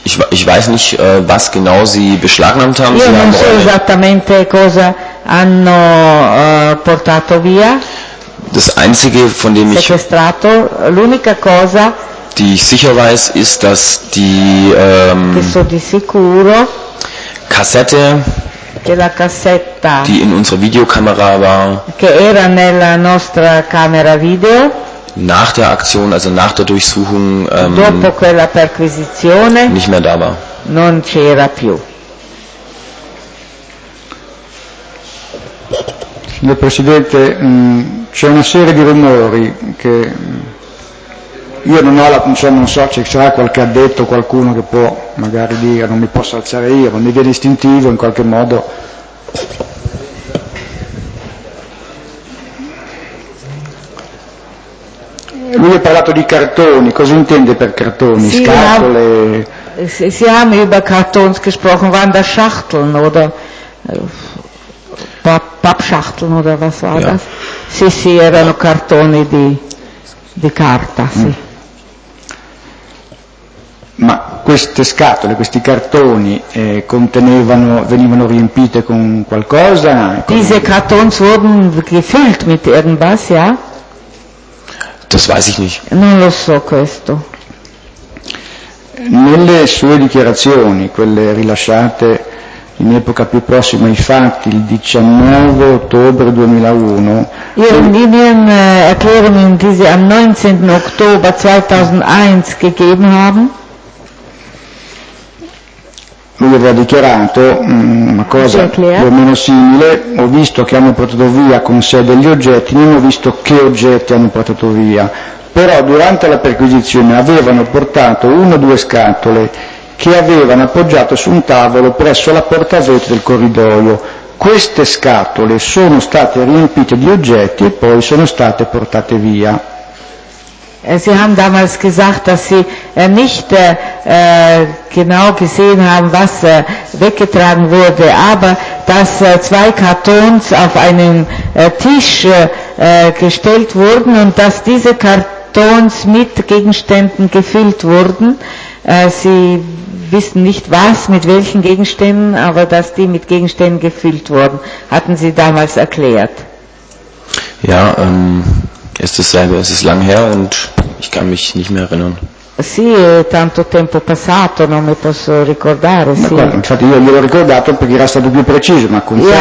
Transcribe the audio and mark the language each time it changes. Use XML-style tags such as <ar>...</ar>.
<de>Ich weiß nicht, was genau sie beschlagnahmt haben. Sie</de> <it>non</it> <de>haben</de> <it>so esattamente cosa hanno portato via.</it> <de>Das Einzige, von dem ich...</de> <it>Sequestrato. L'unica cosa...</it> <de>Die ich sicher weiß, ist, dass die...</de> <it>che so di sicuro...</it> <de>Kassette...</de> <it>Che la cassetta...</it> <de>Die in unserer Videokamera war...</de> <it>Che era nella nostra camera video...</it> <de>nach der Aktion, also nach der Durchsuchung,</de> <it>dopo quella perquisizione,</it> <de>nicht mehr da war.</de> <it>Non c'era più. Signor Presidente, c'è una serie di rumori che io non ho la, insomma, non so, ci sarà qualche addetto, qualcuno che può magari dire, non mi posso alzare io, ma mi viene istintivo in qualche modo. Lui ha parlato di cartoni, cosa intende per cartoni? Sì, scatole?</it> <de>Sie haben über Kartons gesprochen, waren das Schachteln oder Pappschachteln oder was war das?</de> <it>Sì, sì, erano cartoni di carta, sì. Ma queste scatole, questi cartoni contenevano, venivano riempite con qualcosa?</it> <de>Diese Kartons wurden gefüllt mit irgendwas, ja? Das weiß ich nicht.</de> <it>Non lo so questo. Nelle sue dichiarazioni, quelle rilasciate in epoca più prossima ai fatti, il 19 ottobre 2001.</it> <de>In den Erklärungen, die sie am 19. Oktober 2001 gegeben haben.</de> <it>Lui aveva dichiarato una cosa più o meno simile: ho visto che hanno portato via con sé degli oggetti, non ho visto che oggetti hanno portato via. Però durante la perquisizione avevano portato una o due scatole che avevano appoggiato su un tavolo presso la porta vetro del corridoio. Queste scatole sono state riempite di oggetti e poi sono state portate via.</it> <de>Sie haben damals gesagt, dass sie nicht genau gesehen haben, was weggetragen wurde, aber dass zwei Kartons auf einen Tisch gestellt wurden und dass diese Kartons mit Gegenständen gefüllt wurden. Sie wissen nicht was, mit welchen Gegenständen, aber dass die mit Gegenständen gefüllt wurden, hatten sie damals erklärt. Ja, ist dasselbe, es ist lang her und ich kann mich nicht mehr erinnern.</de> <it>Sì, è tanto tempo passato, non mi posso ricordare, sì. Ma, infatti io glielo ho ricordato perché era stato più preciso, ma conferma</it>